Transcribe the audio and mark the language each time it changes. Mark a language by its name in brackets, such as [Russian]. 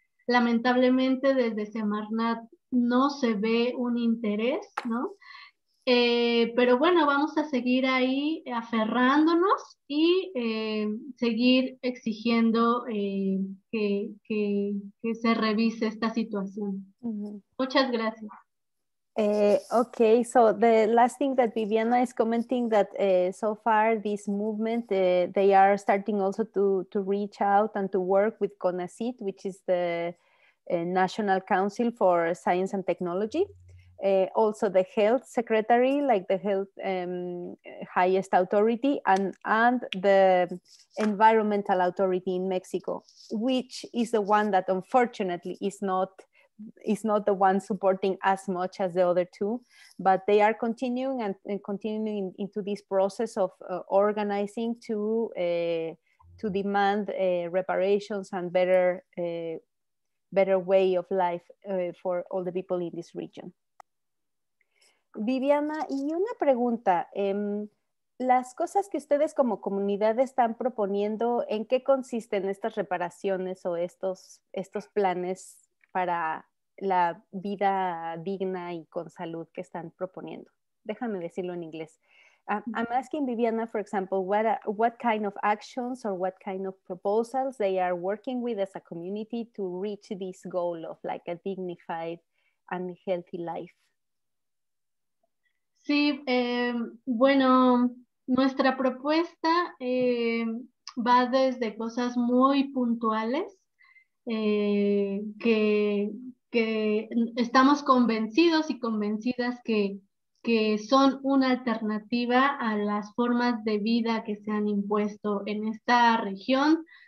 [Spanish] Lamentablemente, desde Semarnat no se ve un interés, ¿no? Pero bueno, vamos a seguir ahí aferrándonos y seguir exigiendo que se revise esta situación. Mm-hmm. Muchas gracias. [English] Okay, so the last thing that Viviana is commenting that so far this movement, they are starting also to reach out and to work with CONACYT, which is the National Council for Science and Technology. Also the health secretary, like the health highest authority, and the environmental authority in Mexico, which is the one that unfortunately is not the one supporting as much as the other two, but they are continuing and continuing into this process of organizing to demand reparations and better way of life for all the people in this region. [Spanish] Viviana, y una pregunta, las cosas que ustedes como comunidad están proponiendo, ¿en qué consisten estas reparaciones o estos planes para la vida digna y con salud que están proponiendo? Déjame decirlo en inglés. [English] I'm asking Viviana, for example, what kind of actions or what kind of proposals they are working with as a community to reach this goal of like a dignified and healthy life. [Spanish] Sí, bueno, nuestra propuesta va desde cosas muy puntuales que estamos convencidos y convencidas que son una alternativa a las formas de vida que se han impuesto en esta región